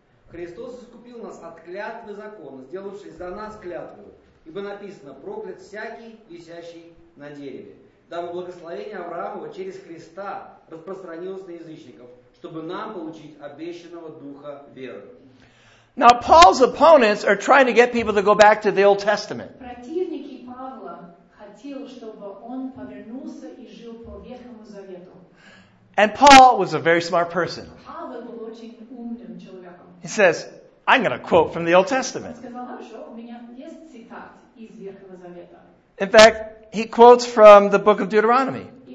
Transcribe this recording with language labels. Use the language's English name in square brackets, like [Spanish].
[Russian] Христос искупил нас от клятвы закона, сделавшись за нас клятвою. Ибо написано: проклят всякий, висящий на дереве. Дабы благословение Авраамова через Христа распространилось на язычников, чтобы нам получить обещанного духа веры. [English] Now Paul's opponents are trying to get people to go back to the Old Testament. [Russian] Противники Павла хотели, чтобы он повернулся и жил по Ветхому Завету. [English] And Paul was a very smart person. [Russian] Павел был очень умным человеком. [English] He says, I'm going to quote from the Old Testament. [Russian] Он сказал, хорошо, у меня есть цитат из Ветхого Завета. [English] In fact, he quotes from the book of Deuteronomy.